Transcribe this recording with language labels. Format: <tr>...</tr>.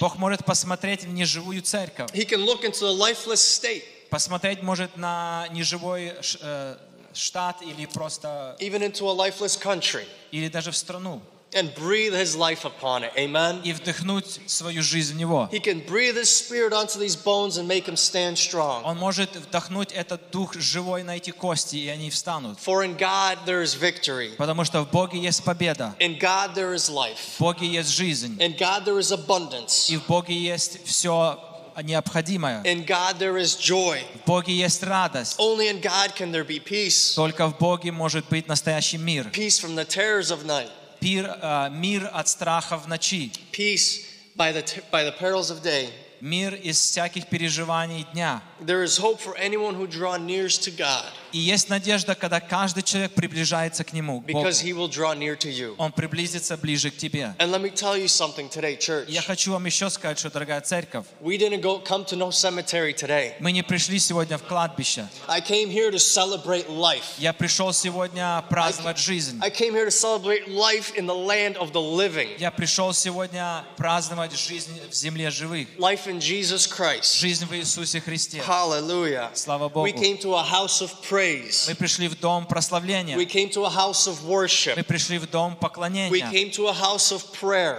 <ru>Бог может посмотреть в неживую церковь.</ru> <en>He can look into the lifeless state.</en> <ru>Посмотреть может на неживой штат или просто</ru> <en>even into a lifeless country.</en> <ru>Или даже в страну.</ru> <en>And breathe his life upon it. Amen.</en> <ru>И вдохнуть свою жизнь в него.</ru> <en>He can breathe his spirit onto these bones and make them stand strong.</en> <ru>Он может вдохнуть этот дух живой на эти кости, и они встанут.</ru> <en>For in God there is victory.</en> <ru>Потому что в Боге есть победа.</ru> <en>In God there is life.</en> <ru>В Боге есть жизнь.</ru> <en>In God there is abundance.</en> <ru>И в Боге есть все необходимое.</ru> <en>In God there is joy.</en> <ru>В Боге есть радость.</ru> <en>Only in God can there be peace.</en> <ru>Только в Боге может быть настоящий мир.</ru> <en>Peace from the terrors of night.</en> <ru>Мир от страха в ночи.</ru> <en>Peace by the perils of day.</en> <ru>Мир из всяких переживаний дня.</ru> <en>There is hope for anyone who draws near to God.</en> <ru>И есть надежда, когда каждый человек приближается к нему.</ru> <en>Because he will draw near to you.</en> <ru>Он приблизится ближе к тебе.</ru> <en>And let me tell you something today, church.</en> <ru>Я хочу вам еще сказать, что, дорогая церковь.</ru> <en>We didn't come to no cemetery today.</en> <ru>Мы не пришли сегодня в кладбище.</ru> <en>I came here to celebrate life.</en> <ru>Я пришел сегодня праздновать жизнь.</ru> <en>I came here to celebrate life in the land of the living.</en> <ru>Я пришел сегодня праздновать жизнь в земле живых.</ru> <en>In Jesus Christ.</en> <ru>Жизнь в Иисусе Христе.</ru> <en>Hallelujah.</en> <ru>Слава Богу.</ru> <en>We came to a house of praise.</en> <ru>Мы пришли в дом прославления.</ru> <en>We came to a house of worship.</en> <ru>Мы пришли в дом поклонения.</ru> <en>We came to a house of prayer.</en>